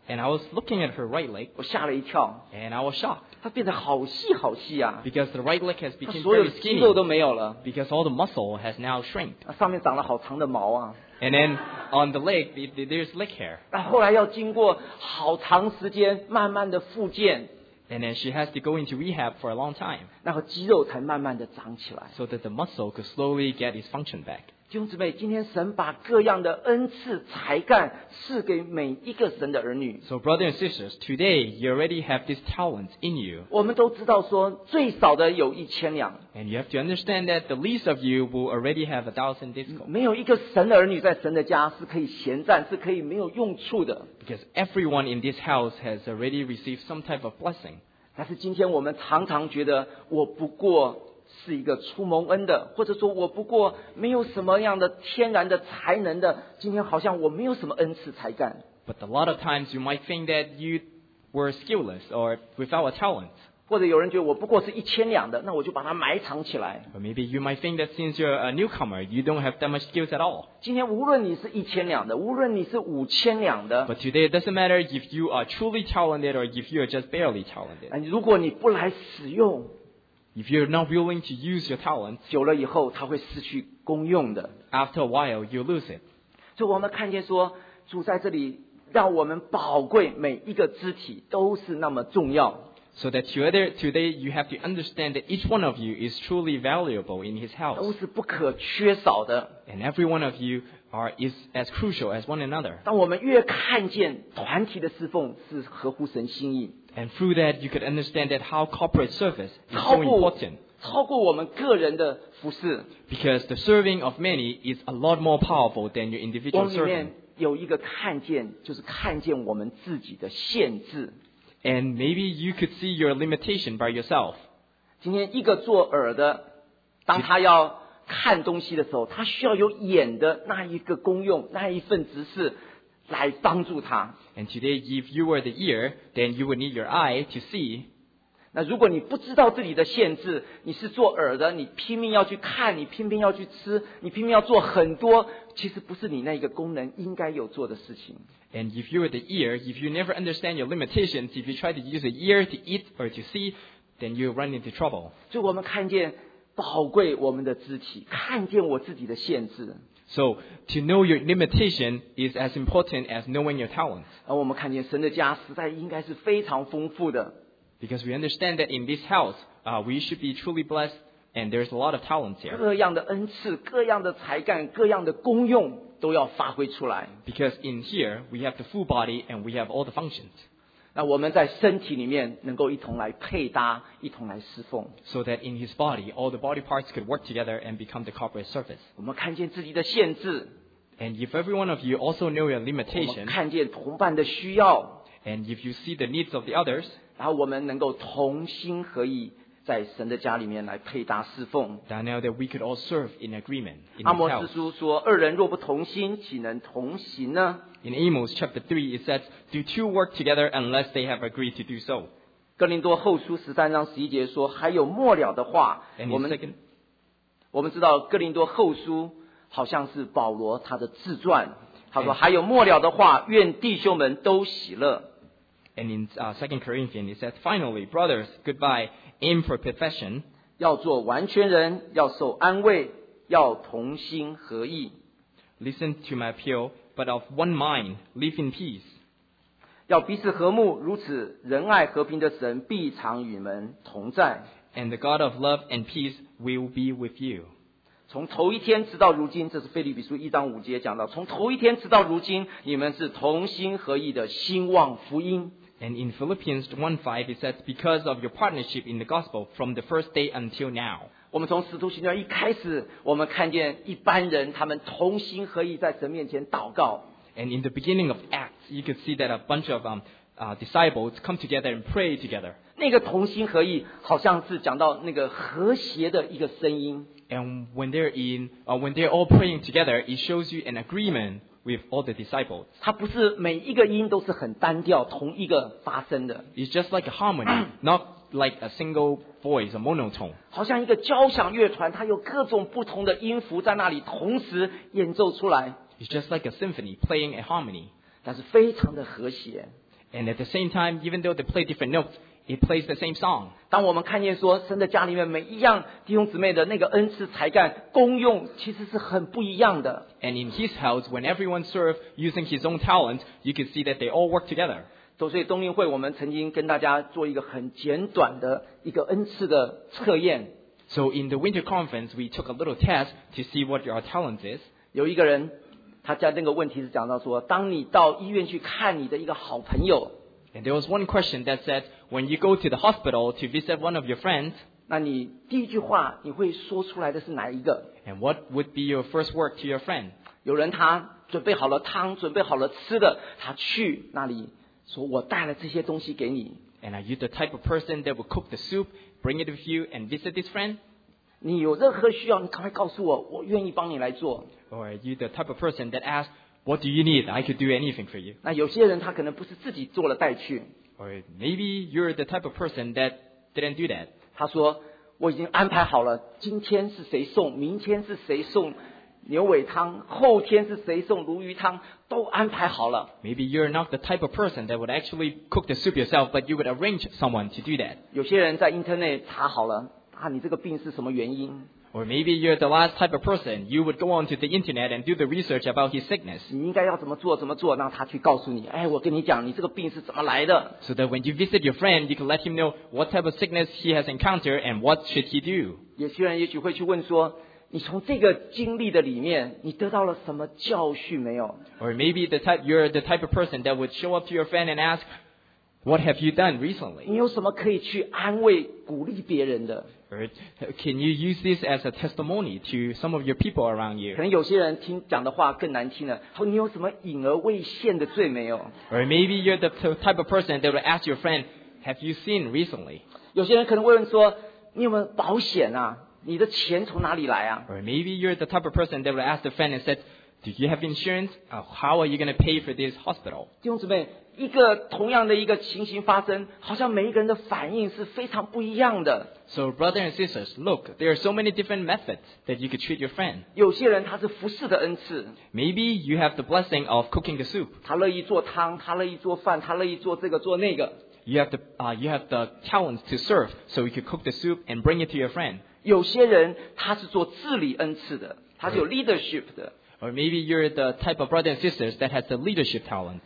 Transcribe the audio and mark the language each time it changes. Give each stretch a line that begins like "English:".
English: And I was looking at her right leg.
Chinese: 我吓了一跳。
English: And I was shocked.
Chinese: 她变得好细好细啊。
English: Because the right leg has become very skinny.
Chinese: 所有肌肉都没有了。
English: Because all the muscle has now shrunk.
Chinese: 上面长了好长的毛啊。
English: And then on the leg, there's leg hair.
Chinese: 那后来要经过好长时间慢慢的复健。
English: And then she has to go into rehab for a long time.
Chinese: 然后肌肉才慢慢的长起来。
English: So that the muscle could slowly get its function back.
Chinese: 弟兄姊妹，今天神把各样的恩赐才干赐给每一个神的儿女。
English: So brothers and sisters, today you already have these talents in you.
Chinese: 我们都知道说最少的有一千两。
English: And you have to understand that the least of you will already have 1,000 disciples.
Chinese: 没有一个神的儿女在神的家是可以闲站，是可以没有用处的。
English: Because everyone in this house has already received some type of blessing.
Chinese: 但是今天我们常常觉得我不过是一个出蒙恩的，或者说我不过没有什么样的天然的才能的，今天好像我没有什么恩赐才干。
English: But a lot of times you might think that you were skillless or without a talent.
Chinese: 或者有人觉得我不过是一千两的，那我就把它埋藏起来。
English: But maybe you might think that since you're a newcomer, you don't have that much skills at all.
Chinese: 今天无论你是一千两的，无论你是五千两的。
English: But today it doesn't matter if you are truly talented or if you are just barely talented.
Chinese: 如果你不来使用，
English: If you're not willing to use your talent,
Chinese: 久了以后，他会失去功用的。
English: After a while, you lose it.
Chinese: 所以我们看见说，主在这里让我们宝贵每一个肢体都是那么重要。
English: So that today you have to understand that each one of you is truly valuable in His house.
Chinese: 都是不可缺少的。
English: And every one of you is as crucial as one another.
Chinese: 当我们越看见团体的侍奉是合乎神心意。
English: And through that, you could understand that how corporate service is so important.
Chinese: 超过我们个人的服事。
English: Because the serving of many is a lot more powerful than your individual serving.
Chinese: 我们里面有一个看见，就是看见我们自己的限制。
English: And maybe you could see your limitation by yourself.
Chinese: 今天一个做耳的，当他要看东西的时候，他需要有眼的那一个功用，那一份职事。来帮助他。
English: And today, if you were the ear, then you would need your eye to see.
Chinese: 那如果你不知道自己的限制，你是做耳的，你拼命要去看，你拼命要去吃，你拼命要做很多，其实不是你那个功能应该有做的事情。
English: And if you were the ear, if you never understand your limitations, if you try to use the ear to eat or to see, then you run into trouble.
Chinese: 所以我们看见宝贵我们的肢体，看见我自己的限制。
English: So, to know your limitation is as important as knowing your talents.
Chinese: 而我们看见神的家实在应该是非常丰富的。
English: Because we understand that in this house, we should be truly blessed and there's a lot of talents here.
Chinese: 各样的恩赐，各样的才干，各样的功用都要发挥出来。
English: Because in here, we have the full body and we have all the functions.
Chinese: 那我们在身体里面能够一同来配搭，一同来侍奉。
English: So that in his body, all the body parts could work together and become the corporate service.
Chinese: 我们看见自己的限制。
English: And if every one of you also know your limitation.
Chinese: 我们看见同伴的需要。
English: And if you see the needs of the others.
Chinese: 然后我们能够同心合意在神的家里面来配搭侍奉。
English: That now that we could all serve in agreement.
Chinese: 阿摩斯书说，二人若不同心，岂能同行呢？
English: In Amos chapter 3, it says, Do two work together unless they have agreed to do so?
Chinese: 哥林多后书13章11节说，还有末了的话，我们知道哥林多后书好像是保罗他的自传，他说还有末了的话，愿弟兄们都喜乐。
English: And in 2 Corinthians, it says, Finally, brothers, goodbye, aim for perfection.
Chinese: 要做完全人，要受安慰，要同心合意。
English: Listen to my appeal, but of one mind, live in peace.
Chinese: 要彼此和睦，如此仁爱和平的神必常与们同在。
English: And the God of love and peace will be with you.
Chinese: 从头一天直到如今，这是腓立比书一章五节讲到，从头一天直到如今，你们是同心合意的兴旺福音。
English: And in Philippians 1:5, it says, because of your partnership in the gospel from the first day until now.
Chinese: 我们从使徒行传一开始，我们看见一般人他们同心合意在神面前祷告。
English: And in the beginning of Acts, you could see that a bunch of disciples come together and pray together.
Chinese: 那个同心合意好像是讲到那个和谐的一个声音。
English: And when they're in, when they're all praying together, it shows you an agreement with all the disciples.
Chinese: 它不是每一个音都是很单调同一个发声的。
English: It's just like a harmony, not like a single voice, a monotone.
Chinese: 好像一个交响乐团，它有各种不同的音符在那里同时演奏出来。
English: It's just like a symphony playing a harmony.
Chinese: 但是非常的和谐。
English: And at the same time, even though they play different notes, it plays the same song.
Chinese: 当我们看见说神的家里面每一样弟兄姊妹的那个恩赐才干功用其实是很不一样的。
English: And in his house, when everyone served using his own talent, you can see that they all work together.
Chinese: 所以冬令会我们曾经跟大家做一个很简短的一个恩赐的测验。
English: So in the winter conference, we took a little test to see what your talent is.
Chinese: 有一个人他在那个问题是讲到说当你到医院去看你的一个好朋友。
English: And there was one question that said, when you go to the hospital to visit one of your friends,
Chinese: 那你第一句话你会说出来的是哪一个？
English: And what would be your first word to your friend?
Chinese: 有人他准备好了汤，准备好了吃的，他去那里说我带了这些东西给你。
English: And are you the type of person that would cook the soup, bring it with you and visit this friend?
Chinese: 你有任何需要你赶快告诉我，我愿意帮你来做。
English: Or are you the type of person that asks,What do you need? I could do anything for you.
Chinese: 那有些人他可能不是自己做了带去。
English: Or maybe you're the type of person that didn't do that.
Chinese: 他说我已经安排好了，今天是谁送，明天是谁送牛尾汤，后天是谁送鲈鱼汤，都安排好了。
English: Maybe you're not the type of person that would actually cook the soup yourself, but you would arrange someone to do that.
Chinese: 有些人在 internet 查好了，啊，你这个病是什么原因？
English: Or maybe you're the last type of person. You would go onto the internet and do the research about his sickness.
Chinese: 你应该要怎么做怎么做，让他去告诉你。哎，我跟你讲，你这个病是怎么来的。
English: So that when you visit your friend, you can let him know what type of sickness he has encountered and what should he do.
Chinese: 有些人也许会去问说，你从这个经历的里面，你得到了什么教训没有？
English: Or maybe you're the type of person that would show up to your friend and ask, What have you done recently?
Chinese: 你有什么可以去安慰鼓励别人的？
English: Can you use this as a testimony to some of your people around you?
Chinese: 可能有些人听讲的话更难听了，说你有什么隐而未现的罪没有？
English: Or maybe you're the type of person that will ask your friend, have you sinned recently?
Chinese: 有些人可能会问说，你有没有保险啊？你的钱从哪里来啊？
English: Or maybe you're the type of person that will ask the friend and said, do you have insurance? How are you going to pay for this hospital?
Chinese: 弟兄姊妹，一个同样的一个情形发生，好像每一个人的反应是非常不一样的。
English: So brothers and sisters, look, there are so many different methods that you could treat your friend.
Chinese: 有些人他是服侍的恩赐。
English: Maybe you have the blessing of cooking the soup.
Chinese: 他乐意做汤，他乐意做饭，他乐意做这个做那个。
English: You have the talent to serve, so you could cook the soup and bring it to your friend.
Chinese: 有些人他是做治理恩赐的，他是有 leadership 的。
English: Right. Or maybe you're the type of brothers and sisters that has the leadership talent.